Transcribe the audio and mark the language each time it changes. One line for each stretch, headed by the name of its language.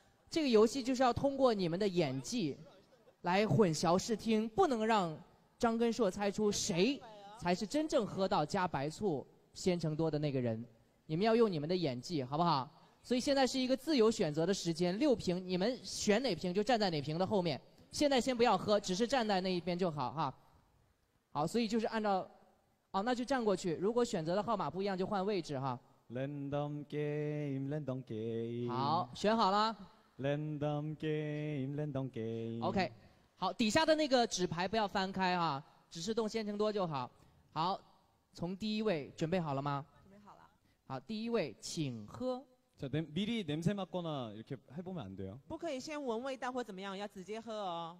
Chinese: 这个游戏就是要通过你们的演技来混淆视听不能让张根硕猜出谁才是真正喝到加白醋鲜橙多的那个人你们要用你们的演技好不好所以现在是一个自由选择的时间六瓶你们选哪瓶就站在哪瓶的后面现在先不要喝只是站在那一边就好哈好所以就是按照哦那就站过去如果选择的号码不一样就换位置哈
English: Random game Random game
Chinese: 好选好了
English: Random game Random game
Chinese: OK 好底下的那个纸牌不要翻开哈只是动鲜橙多就好好从第一位准备好了吗准备好了好第一位请喝
Korean: 자미리냄새맡거나이렇게해보면안돼요
Chinese: 不可以先闻味道或怎么样要直接喝哦